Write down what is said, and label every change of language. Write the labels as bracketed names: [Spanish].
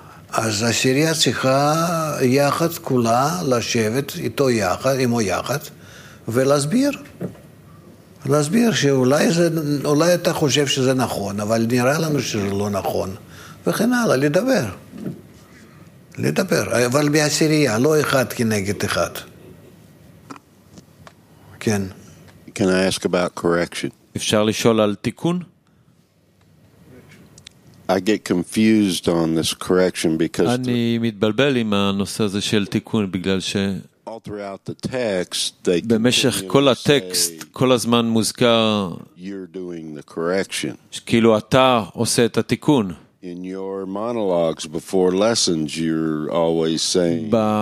[Hebrew] אז עשירייה צריכה יחד כולה לשבת איתו יחד, עמו יחד, ולהסביר. להסביר שאולי זה, אולי אתה חושב שזה נכון, אבל נראה לנו שזה לא נכון. וכן הלאה, לדבר. לדבר. אבל בעשירייה, לא אחד כנגד אחד. כן. [English] Can I ask about correction? [Hebrew] אפשר לשאול על תיקון? [English] I get confused on this correction because [Hebrew] אני מתבלבל עם הנושא הזה של תיקון בגלל ש [English] All throughout the text they [Hebrew] במשך כל הטקסט כל הזמן מוזכר [English] you're doing the correction. [Hebrew] כאילו אתה עושה את התיקון. [English] In your monologues before lessons you're always saying